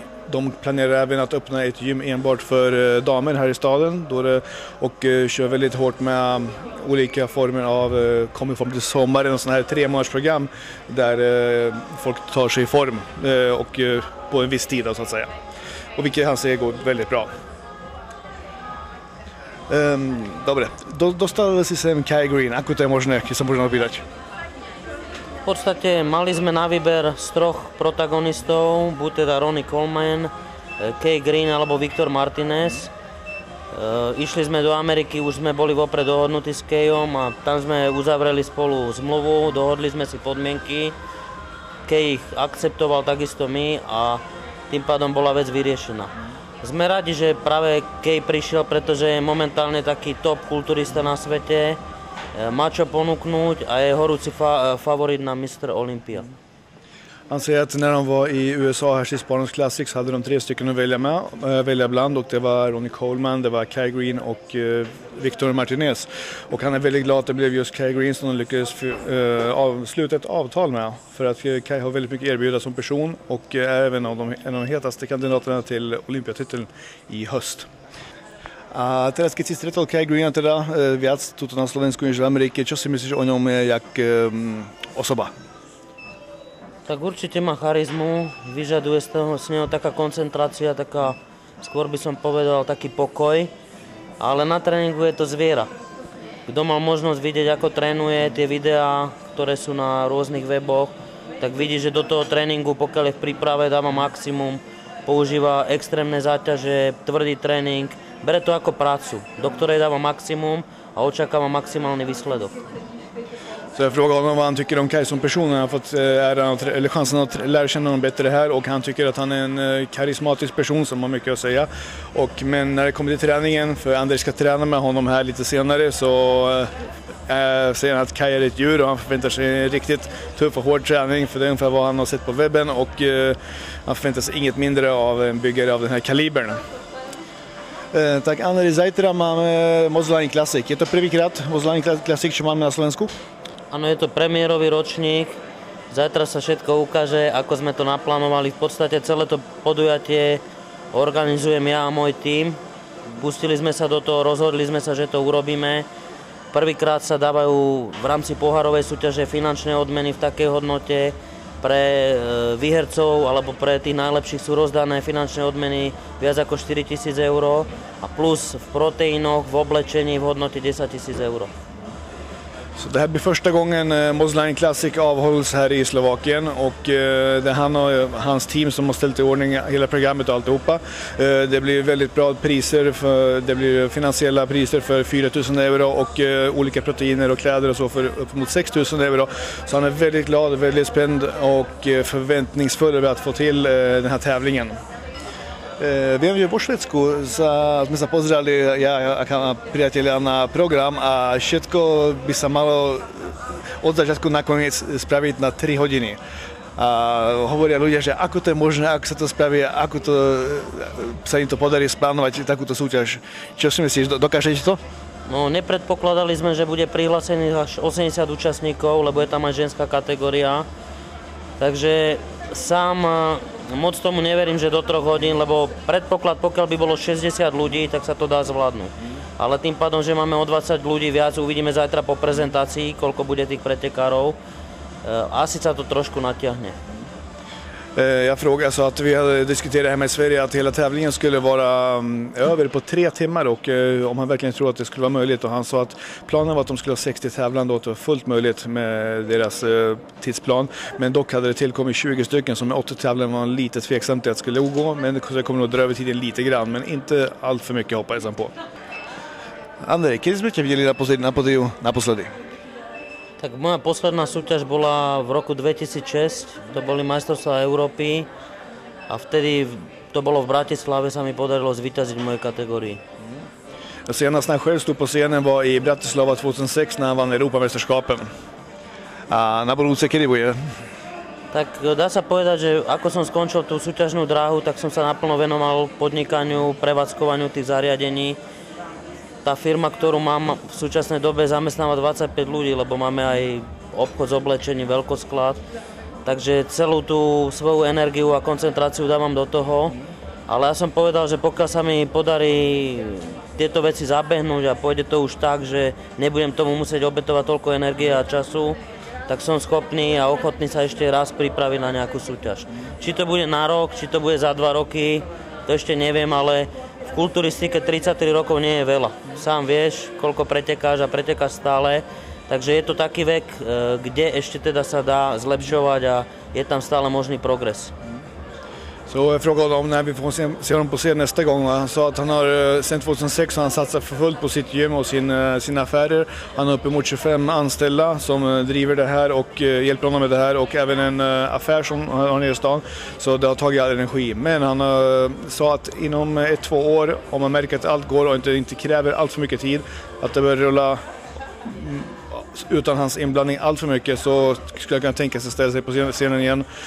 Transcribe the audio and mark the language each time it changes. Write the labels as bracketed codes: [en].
[sv] De planerar även att öppna ett gym enbart för damer här i staden då det, och kör väldigt hårt med olika former av kommer form till sommaren och sådana här 3-månadersprogram där folk tar sig i form och på en viss tid så att säga. Och vilket han säger går väldigt bra. [sk] Dobre, dostal si sem Kai Greene, ako to je možné, keď sa môžem opýtať? V podstate mali sme na výber z 3 protagonistov, buď teda Ronnie Coleman, Kai Greene alebo Victor Martinez. Išli sme do Ameriky, už sme boli vopred dohodnutí s Kejom a tam sme uzavreli spolu zmluvu, dohodli sme si podmienky. Kej ich akceptoval, takisto my a tým pádom bola vec vyriešená. Sme radi, že práve Kej prišiel, pretože je momentálne taký top kulturista na svete. Má čo ponúknuť a je horúci favorit na Mr. Olympia. [sv] Han säger att när de var i USA här sist på Arnold Classic så hade de 3 stycken att välja bland och det var Ronnie Coleman, det var Kai Greene och Victor Martinez. Och han är väldigt glad att det blev just Kai Greene som de lyckades avsluta ett avtal med. För att Kai har väldigt mycket erbjuda som person och är även en av de hetaste kandidaterna till Olympiatiteln i höst. [sk] A teraz keď si stretol Kai Greene teda viac tuto na Slovensku než v Amerike, čo si myslíš o ňom jak osoba? Tak určite má charizmu, vyžaduje z toho s neho taká koncentrácia, taká, skôr by som povedal, taký pokoj, ale na tréningu je to zviera. Kto mal možnosť vidieť, ako trénuje, tie videá, ktoré sú na rôznych weboch, tak vidí, že do toho tréningu, pokiaľ je v príprave, dáva maximum, používa extrémne záťaže, tvrdý tréning, bere to ako prácu, do ktorej dáva maximum a očakáva maximálny výsledok. [sv] Så jag frågade honom vad han tycker om Kai som person. Han har fått chansen att lära känna honom bättre här och han tycker att han är en karismatisk person som har mycket att säga. Men när det kommer till träningen, för Andrei ska träna med honom här lite senare, så säger han att Kai är ett djur och han förväntar sig en riktigt tuff och hård träning, för det är ungefär vad han har sett på webben och han förväntar sig inget mindre av en byggare av den här kalibern. [sk] Tak Andrei, zajtra máme Mozzolani Classic. Je to prvýkrát Mozzolani Classic, čo máme na Slovensku? Áno, je to premiérový ročník, zajtra sa všetko ukáže, ako sme to naplánovali. V podstate celé to podujatie organizujem ja a môj tím. Pustili sme sa do toho, rozhodli sme sa, že to urobíme. Prvýkrát sa dávajú v rámci pohárovej súťaže finančné odmeny v takej hodnote. pre výhercov alebo pre tých najlepších sú rozdané finančné odmeny viac ako 4000 eur a plus v proteínoch, v oblečení v hodnote 10000 eur. [sv] Så det här blir första gången Modsline Classic avhålls här i Slovakien och det är han och hans team som har ställt i ordning hela programmet och alltihopa. Det blir väldigt bra priser, det blir finansiella priser för 4000 euro och olika proteiner och kläder och så för upp mot 6000 euro. Så han är väldigt glad, väldigt spänd och förväntningsfull över att få till den här tävlingen. [sk] Viem, že vo Švédsku sme sa pozerali ja a priatelia na program a všetko by sa malo od začiatku na koniec spraviť na 3 hodiny. A hovoria ľudia, že ako to je možné, ako sa to spraví, ako to, sa im to podarí splánovať takúto súťaž. Čo si myslíš, dokážete to? No, nepredpokladali sme, že bude prihlásených až 80 účastníkov, lebo je tam aj ženská kategória. Takže sám moc tomu neverím, že do 3 hodín, lebo predpoklad, pokiaľ by bolo 60 ľudí, tak sa to dá zvládnuť. Ale tým pádom, že máme o 20 ľudí viac, uvidíme zajtra po prezentácii, koľko bude tých pretekárov, asi sa to trošku natiahne. [sv] Jag frågade så att vi hade diskuterat hemma i Sverige att hela tävlingen skulle vara över på 3 timmar och om han verkligen trodde att det skulle vara möjligt och han sa att planen var att de skulle ha 60 tävlande och det var fullt möjligt med deras tidsplan. Men dock hade det tillkommit 20 stycken som med 8 tävlande var lite tveksamt att det skulle gå men det kommer nog dra över tiden lite grann men inte allt för mycket hoppas han på. [sk] Andrej, kedy sme ťa videli naposledy? Tak moja posledná súťaž bola v roku 2006, to boli majstrovstvá Európy a vtedy to bolo v Bratislave, sa mi podarilo zvíťaziť v mojej kategórii. [sv] Senast när själv stod på scenen var i Bratislava 2006 när han vann Europamästerskapen. [sk] A na budúce kedy bude? Tak dá sa povedať, že ako som skončil tú súťažnú dráhu, tak som sa naplno venoval podnikaniu, prevádzkovaniu tých zariadení. Tá firma, ktorú mám v súčasnej dobe, zamestnáva 25 ľudí, lebo máme aj obchod s oblečením, veľkosklad. Takže celú tú svoju energiu a koncentráciu dávam do toho. Ale ja som povedal, že pokiaľ sa mi podarí tieto veci zabehnúť a pôjde to už tak, že nebudem tomu musieť obetovať toľko energie a času, tak som schopný a ochotný sa ešte raz pripraviť na nejakú súťaž. Či to bude na rok, či to bude za 2 roky, to ešte neviem, ale v kulturistike 33 rokov nie je veľa. Sám vieš, koľko pretekáš a pretekáš stále. Takže je to taký vek, kde ešte teda sa dá zlepšovať a je tam stále možný progres. [sv] Så jag frågade om när vi får se honom på scen nästa gång. Han sa att han har sen 2006 har han satsat fullt på sitt gym och sina affärer. Han har uppemot 25 anställda som driver det här och hjälper honom med det här. Och även en affär som han har nere i stan. Så det har tagit all energi. Men han sa att inom 1-2 år, om man märker att allt går och inte kräver allt för mycket tid, att det börjar rulla utan hans inblandning allt för mycket så skulle jag kunna tänka sig att ställa sig på scenen igen.